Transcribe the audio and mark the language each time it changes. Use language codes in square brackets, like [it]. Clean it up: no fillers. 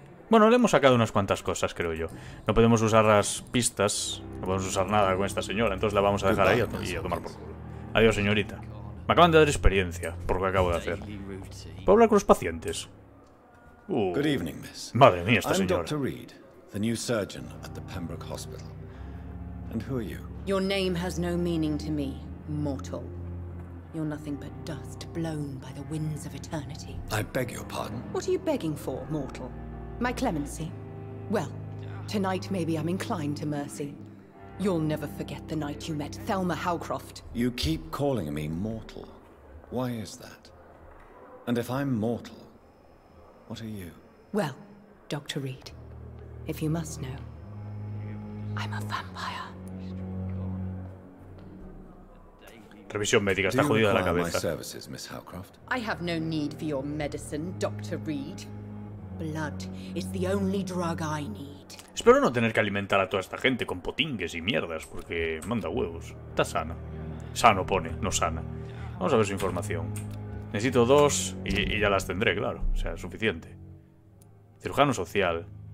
[es] Bueno, le hemos sacado unas cuantas cosas, creo yo. No podemos usar las pistas, no podemos usar nada con esta señora, entonces la vamos a dejar ahí y a tomar por culo. Adiós, señorita. Me acaban de dar experiencia por lo que acabo de hacer. ¿Puedo hablar con los pacientes? [en] Good evening, miss. [es] Madre mía, esta señora. [en] I'm Dr. Reed, the new surgeon at the Pembroke Hospital. And who are you? Your name has no meaning to me, mortal. You're nothing but dust blown by the winds of eternity. I beg your pardon. What are you begging for, mortal? My clemency. Well, tonight maybe I'm inclined to mercy. You'll never forget the night you met Thelma Howcroft. You keep calling me mortal. Why is that? And if I'm mortal, what are you? Well, Dr. Reed, if you must know, I'm a vampire. [es] Revisión médica, está jodida la cabeza. [en] Do you require my services, Miss Howcroft? I have no need for your medicine, Dr. Reed. Blood is the only drug I need. [es] Espero no tener que alimentar a toda esta gente con potingues y mierdas, porque manda huevos. Está sana. Sano pone, no sana. Vamos a ver su información. Necesito dos y ya las tendré, claro. O sea, suficiente. Cirujano social.